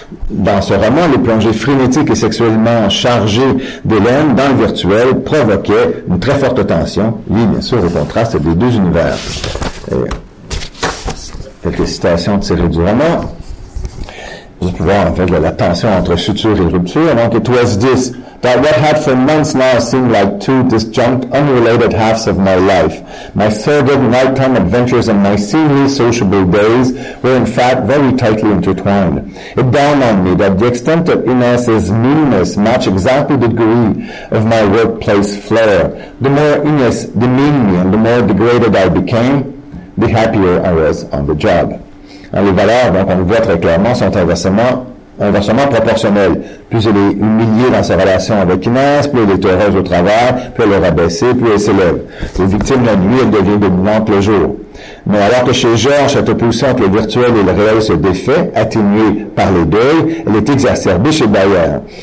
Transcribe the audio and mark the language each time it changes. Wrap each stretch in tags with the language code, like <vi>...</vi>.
<fr>Dans ce roman, les plongées frénétiques et sexuellement chargées d'Hélène dans le virtuel provoquaient une très forte tension. Oui, bien sûr, le contraste des deux univers. Et quelques citations tirées du roman. Du pouvoir, en fait, de la tension entre suture et rupture.</fr> <en>Donc, it was this, that what had for months now seemed like two disjunct, unrelated halves of my life. My sordid nighttime adventures and my seemingly sociable days were, in fact, very tightly intertwined. It dawned on me that the extent of Inès's meanness matched exactly the degree of my workplace flair. The more Inès demeaned me and the more degraded I became, the happier I was on the job.</en> <fr>Les valeurs, donc, on le voit très clairement, sont inversement proportionnelles. Plus elle est humiliée dans sa relation avec Inès, plus elle est heureuse au travail, plus elle est rabaissée, plus elle s'élève. Les victimes de la nuit, elle devient dominante le jour. Mais alors que chez Georges, cette opposition entre le virtuel et le réel se défait, atténuée par les deuils, elle est exacerbée chez Bayer.</fr>